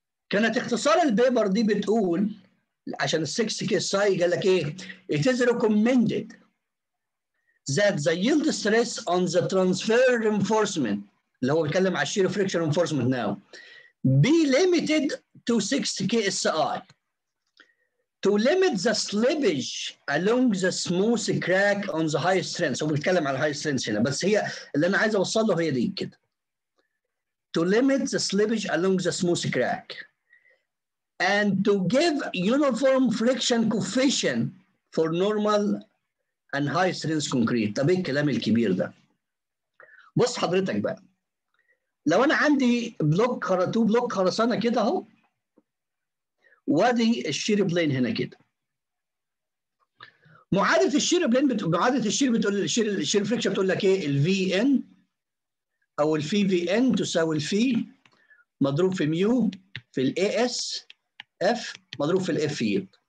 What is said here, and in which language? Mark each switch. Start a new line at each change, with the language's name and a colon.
Arabic: كانت اختصار البيبر دي بتقول عشان ال 6 KSI قال لك ايه؟
English: It is recommended that the yield stress on the transfer reinforcement
Arabic: اللي هو بيتكلم على الشير فريكشن
English: reinforcement now be limited to 6 KSI to limit the slippage along the smooth crack on the high strength.
Arabic: هو بيتكلم على high strength هنا بس هي اللي انا عايز اوصل له هي دي كده.
English: To limit the slippage along the smooth crack and to give uniform friction coefficient for normal and high strength concrete.
Arabic: طب ايه الكلام الكبير ده؟ بص حضرتك بقى لو انا عندي بلوك تو بلوك خرسانه كده اهو وادي الشير بلين هنا كده معادله الشير بلين معادله الشير بتقول الشير فريكشن بتقول لك ايه؟ الفي ان او الفي في ان تساوي الفي مضروب في ميو في الاي اس F مضروب في الاف يلد.